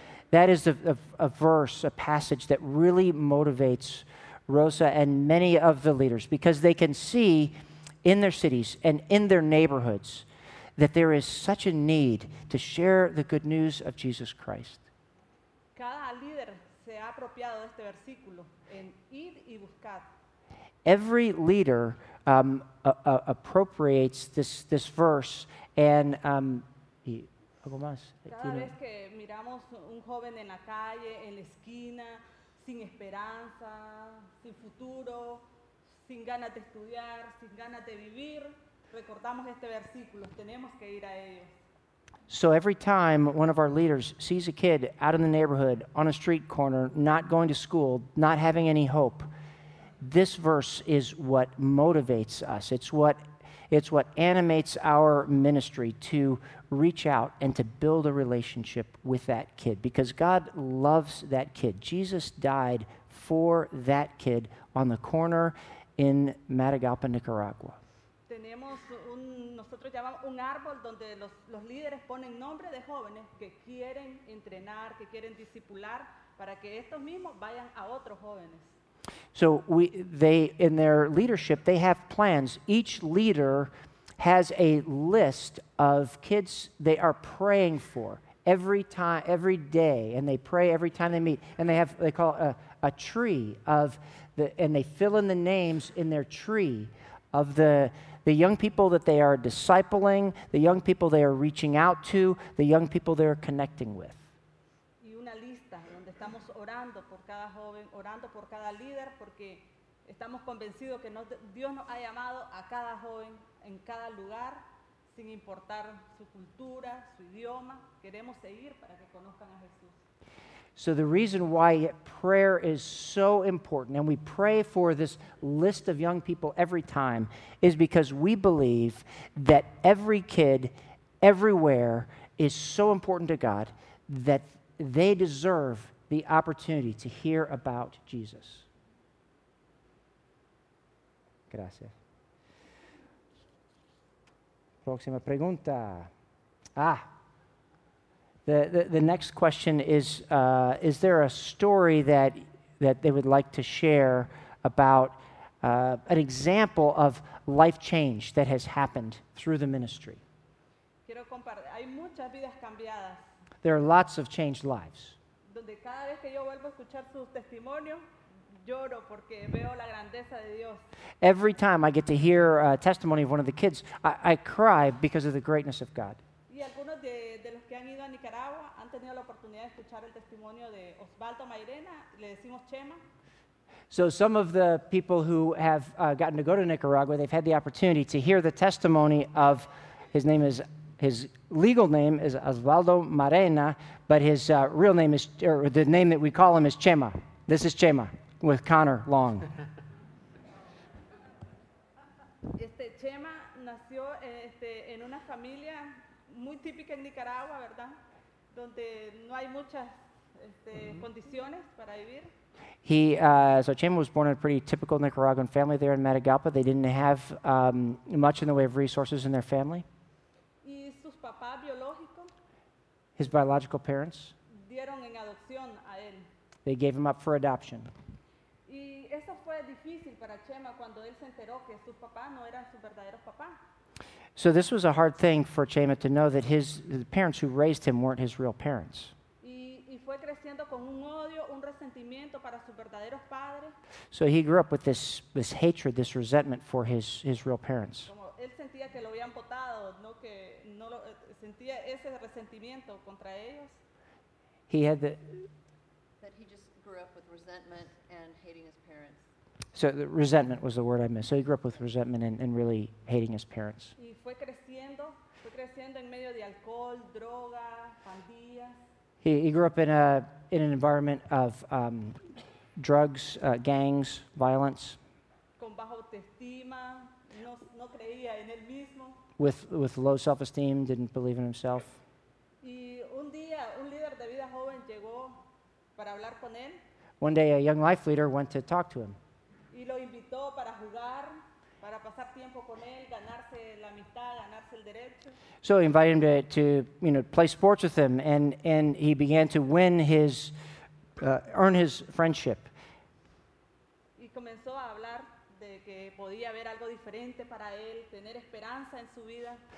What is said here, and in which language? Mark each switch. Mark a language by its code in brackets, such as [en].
[en] That is a verse, a passage that really motivates Rosa and many of the leaders because they can see in their cities and in their neighborhoods that there is such a need to share the good news of Jesus Christ. [es] Cada líder se ha apropiado de este versículo en ir y buscar. [en] Every leader appropriates this verse and [es] y algo más. Cada vez que miramos un joven en la calle, en la esquina, sin esperanza, sin futuro, sin ganas de estudiar, sin ganas de vivir, recordamos este versículo, tenemos que ir a ellos. [en] So every time one of our leaders sees a kid out in the neighborhood, on a street corner, not going to school, not having any hope, this verse is what motivates us. It's what animates our ministry to reach out and to build a relationship with that kid, because God loves that kid. Jesus died for that kid on the corner in Matagalpa, Nicaragua. [es] Tenemos un, nosotros llamamos un árbol donde los líderes ponen nombre de jóvenes que quieren entrenar, que quieren discipular, para que estos mismos vayan a otros jóvenes. [en] So they in their leadership, they have plans. Each leader has a list of kids they are praying for every time, every day, and they pray every time they meet, and they call it a tree, and they fill in the names in their tree of the young people that they are discipling, the young people they are reaching out to, the young people they are connecting with. [es] Y una lista donde estamos orando por cada joven, orando por cada líder, porque estamos convencidos que Dios nos ha llamado a cada joven en cada lugar, sin importar su cultura, su idioma, queremos seguir para que conozcan a Jesús. [en] So the reason why prayer is so important, and we pray for this list of young people every time, is because we believe that every kid everywhere is so important to God that they deserve the opportunity to hear about Jesus. [es] Gracias. Próxima pregunta. [en] Ah. The next question is there a story that they would like to share about an example of life change that has happened through the ministry? [es] Quiero compartir. Hay muchas vidas cambiadas. [en] There are lots of changed lives. [es] Donde cada vez que yo vuelvo a escuchar su testimonio, lloro porque veo la grandeza de Dios. [en] Every time I get to hear a testimony of one of the kids, I cry because of the greatness of God. [es] Y algunos de los que han ido a Nicaragua han tenido la oportunidad de escuchar el testimonio de Osvaldo Mairena, le decimos Chema. [en] So some of the people who have gotten to go to Nicaragua, they've had the opportunity to hear the testimony of, his legal name is Osvaldo Mairena, but his real name is, or the name that we call him is Chema. This is Chema with Connor Long. [es] Chema nació en una familia muy típica en Nicaragua, ¿verdad? Donde no hay muchas condiciones para vivir. [en] So Chema was born in a pretty typical Nicaraguan family there in Matagalpa. They didn't have much in the way of resources in their family. [es] Y sus papás biológicos. [en] His biological parents. [es] Dieron en adopción a él. [en] They gave him up for adoption. [es] Y eso fue difícil para Chema cuando él se enteró que sus papás no eran sus verdaderos papás. [en] So this was a hard thing for Chema to know that the parents who raised him weren't his real parents. [es] Y fue creciendo con un odio, un resentimiento para sus verdaderos padres. [en] So he grew up with this hatred, this resentment for his real parents. [es] Como él sentía que lo habían botado, no que no lo sentía ese resentimiento contra ellos. [en] He had the that he just grew up with resentment and hating his parents. So the resentment was the word I missed. So he grew up with resentment and really hating his parents. [es] Y fue creciendo en medio de alcohol, droga, pandillas. [en] He grew up in an environment of drugs, gangs, violence. [es] Con bajo autoestima, no creía en él mismo. [en] With low self-esteem, didn't believe in himself. [es] Y un día un líder de vida joven llegó para hablar con él. [en] One day a young life leader went to talk to him. [es] Y lo invitó para jugar, para pasar tiempo con él, ganarse la amistad, ganarse el derecho. [en] So he invited him to play sports with him, and he began to earn his friendship. [es] Y comenzó a hablar de que podía haber algo diferente para él, tener esperanza en su vida.